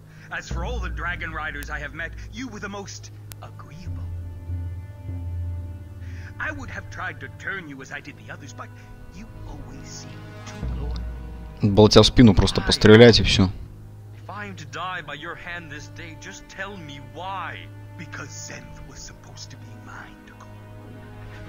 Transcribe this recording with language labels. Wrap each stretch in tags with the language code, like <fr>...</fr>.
<en>As for all the dragon riders I have met, you were the most. Agreeable. I would have tried to turn you as I did the others, but you always seem too loyal.</en> <ru>Болтя в спину просто пострелять и все.</ru> <en>If I'm to die by your hand this day, just tell me why. Because Zenth was supposed to be mine, Dakar.</en>